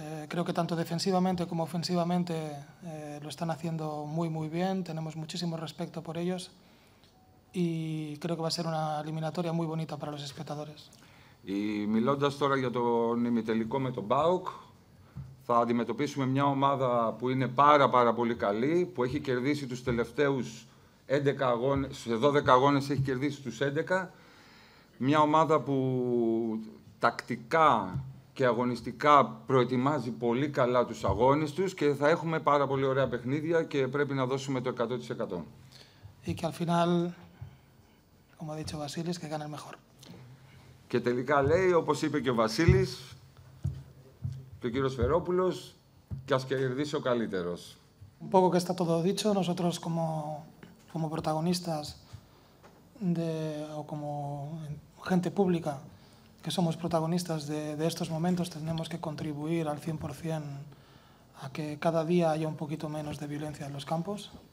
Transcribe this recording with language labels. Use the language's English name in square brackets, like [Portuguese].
[Spanish] Creo que tanto defensivamente como ofensivamente lo están haciendo muy, muy bien. Tenemos muchísimo respeto por ellos. Y creo que va a ser una eliminatoria muy bonita para los espectadores. [Greek] Y μιλώντας τώρα για τον ημιτελικό με τον ΠΑΟΚ, θα αντιμετωπίσουμε μια ομάδα που είναι πάρα πάρα πολύ καλή, που έχει κερδίσει τους τελευταίους 11 αγώνες, σε 12 αγώνες έχει κερδίσει τους 11. Μια ομάδα που τακτικά και αγωνιστικά προετοιμάζει πολύ καλά τους αγώνες τους και θα έχουμε πάρα πολύ ωραία παιχνίδια και πρέπει να δώσουμε το 100%. [Spanish] Y que al final, como ha dicho Vasilis, que gane el mejor. [Greek] Και τελικά λέει, όπως είπε και ο Βασίλης, και ο κύριος Φερόπουλος, και ας κερδίσει ο καλύτερος. [Spanish] Un poco que está todo dicho, nosotros como protagonistas de, o como gente pública, que somos protagonistas de estos momentos, tenemos que contribuir al 100% a que cada día haya un poquito menos de violencia en los campos.